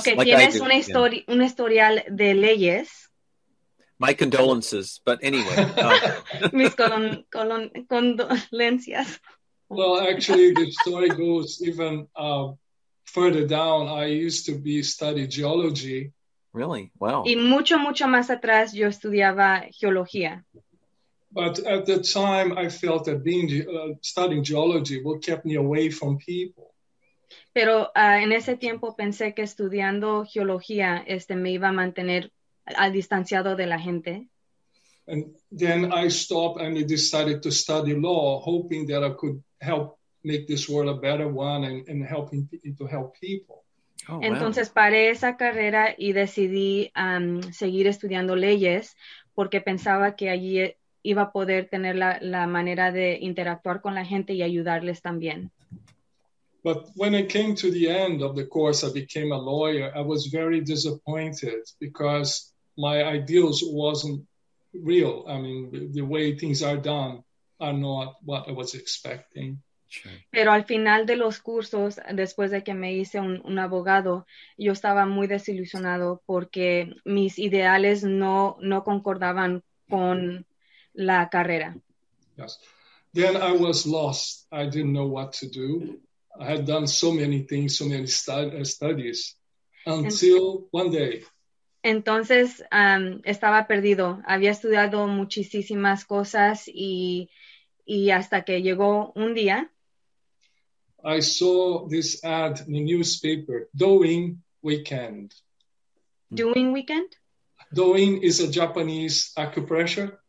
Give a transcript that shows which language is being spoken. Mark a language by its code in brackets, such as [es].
[en] Okay, like [es] tienes un historial de leyes. [en] My condolences, but anyway. [es] Mis condolencias. [en] Well, actually, the story goes even further down. I used to study geology. Really? Wow. [es] Y mucho, mucho más atrás, yo estudiaba geología. [en] But at the time, I felt that being studying geology what kept me away from people. [es] Pero en ese tiempo pensé que estudiando geología me iba a mantener al distanciado de la gente. [en] And then I stopped and I decided to study law, hoping that I could help make this world a better one and helping to help people. Oh, wow. [es] Entonces paré esa carrera y decidí seguir estudiando leyes porque pensaba que allí iba a poder tener la manera de interactuar con la gente y ayudarles también. [en] But when I came to the end of the course, I became a lawyer. I was very disappointed because my ideals wasn't real. I mean, the way things are done are not what I was expecting. [es] Pero al final de los cursos, después de que me hice un abogado, yo estaba muy desilusionado porque mis ideales no concordaban con la carrera. [en] Yes. Then I was lost. I didn't know what to do. I had done so many things, so many studies, until one day. [es] Entonces, estaba perdido. Había estudiado muchísimas cosas y hasta que llegó un día. [en] I saw this ad in the newspaper, Doing Weekend. Doing Weekend? Doing is a Japanese acupressure.